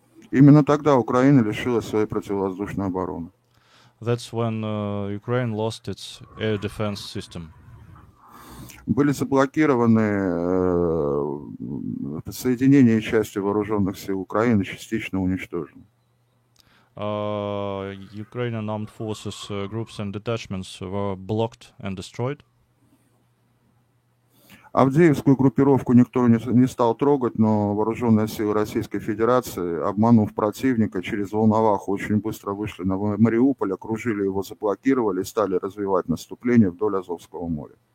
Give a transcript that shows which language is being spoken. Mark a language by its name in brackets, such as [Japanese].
[Russian] Именно тогда Украина лишилась своей противовоздушной обороны. [English] That's when Ukraine lost its air defense system. [Russian] Были заблокированы соединения и части вооруженных сил Украины, частично уничтожены. [English] Ukrainian armed forces, groups and detachments were blocked and destroyed. [Russian] Авдеевскую группировку никто не стал трогать, но вооруженные силы Российской Федерации, обманув противника, через Волноваху очень быстро вышли на Мариуполь, окружили его, заблокировали и стали развивать наступление вдоль Азовского моря.